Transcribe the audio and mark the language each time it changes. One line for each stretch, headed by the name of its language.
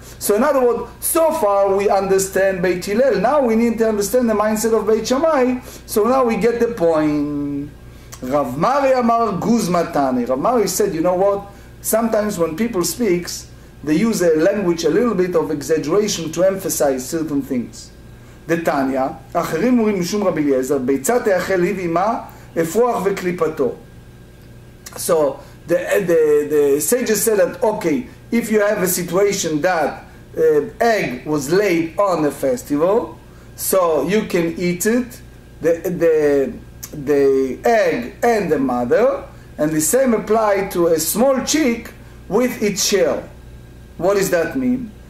English: So in other words, so far we understand Beit Hillel. Now we need to understand the mindset of Beit Shammai. So now we get the point. Rav Mari Amar Guz Matani. Rav Mari said, you know what? Sometimes when people speak, they use a language, a little bit of exaggeration to emphasize certain things.
Hebrew: דתניה, אחרים מורים משום רבי אליעזר, ביצה תאכל היא ואימה, אפרוח וקליפתו.
English: So, the sages said that, okay, if you have a situation that egg was laid on a festival, so you can eat it, the egg and the mother, and the same apply to a small chick with its shell. What does that mean?